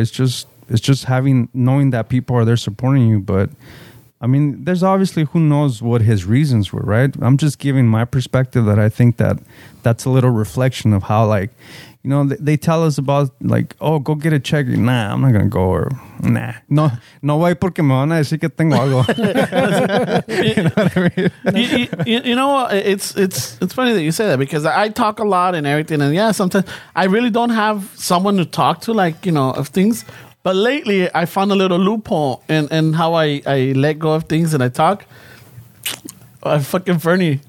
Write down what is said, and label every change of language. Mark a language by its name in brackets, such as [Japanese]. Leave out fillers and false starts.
[English] It's just knowing that people are there supporting you. But I mean, there's obviously, who knows what his reasons were, right? I'm just giving my perspective that I think that that's a little reflection of how, like, you know, they tell us about, like, oh, go get a check. Nah, I'm not going to go. Or, nah. [Spanish] No, [English] no way, [Spanish] porque me van a decir que tengo algo. [English] You know what I mean? it's funny that you say that, because I talk a lot and everything. And yeah, sometimes I really don't have someone to talk to, like, you know, of things. But lately, I found a little loophole in how I let go of things and I talk. I'm fucking Fernie.